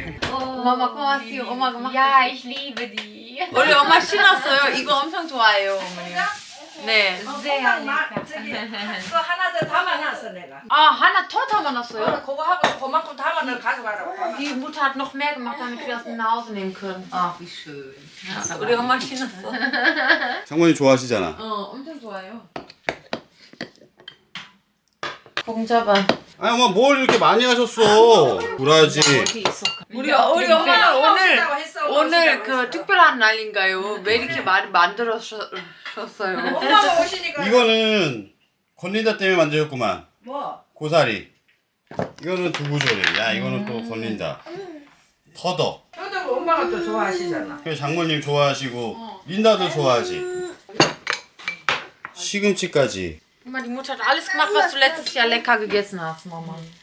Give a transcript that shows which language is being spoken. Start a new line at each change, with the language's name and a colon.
Korean: 엄마 고마워요. 엄마 고마워.
German: 야, ich liebe dich.
Korean: 원래 엄마 싫었어요. 이거 엄청 좋아해요, 어머니. 네. 그거 하나 더 담아놨어 내가. 아, 하나 더 담아놨어요? 그거 하고 그만큼 담아놓고 가져가라고.
German: Die Mutter hat noch mehr gemacht, damit wir das nach Hause nehmen können. Ach, wie schön.
Korean: 우리 엄마 싫었어. 장모님 좋아하시잖아. 어, 엄청 좋아해요. 공자반. 아니 엄마 뭘 이렇게 많이 하셨어? 브라질. 우리 엄마는 오늘 그 특별한 날인가요? 왜 이렇게 많이 만들었었어요? 엄마가 오시니까. 이거는 권린다 때문에 만들었구만. 뭐? 고사리. 이거는 두부조림. 야 이거는 또 권린다. 터덕. 터덕 엄마가 또 좋아하시잖아. 장모님 좋아하시고 린다도 좋아하지. 시금치까지. 엄마,
German: die Mutter hat alles gemacht, was du letztes Jahr lecker gegessen hast, Mama.